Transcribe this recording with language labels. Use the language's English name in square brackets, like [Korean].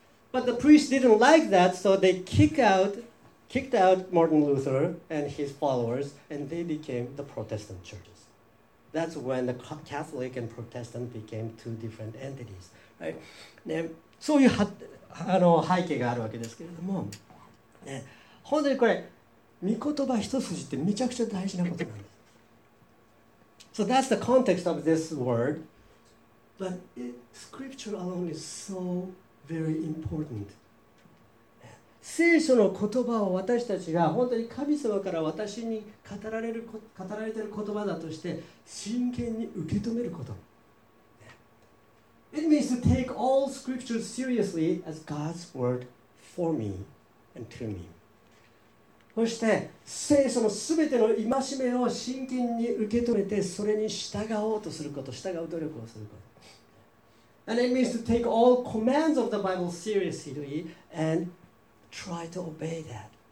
[English] But the priests didn't like that, so they kicked out Martin Luther and his followers, and they became the Protestant churches. That's when the Catholic and Protestant became two different entities. Right? [Japanese] ね、そういうあの背景があるわけですけれども、ね、本当にこれ、御言葉一筋ってめちゃくちゃ大事なことなんです。 [English] So that's the context of this word. But it, scripture alone is so very important. [Japanese] 聖書の言葉を私たちが本当に神様から私に語られている言葉だとして真剣に受け止めること。 [English] It means to take all scriptures seriously as God's word for me and to me. [Japanese] そして聖書のすべての戒めを真剣に受け止めて、それに従おうとすること、従う努力をすること。 [English] And it means to take all commands of the Bible seriously and try to obey that.